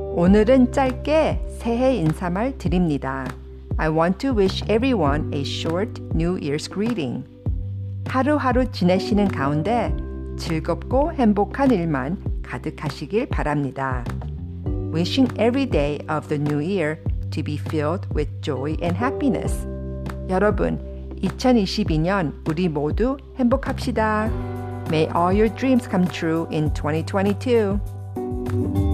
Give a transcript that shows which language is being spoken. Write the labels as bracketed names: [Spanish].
[Korean] 오늘은 짧게 새해 인사말 드립니다. [English] I want to wish everyone a short New Year's greeting. [Korean] 하루하루 지내시는 가운데 즐겁고 행복한 일만 가득하시길 바랍니다. [English] Wishing every day of the new year to be filled with joy and happiness. [Korean] 여러분, 2022년 우리 모두 행복합시다. [English] May all your dreams come true in 2022.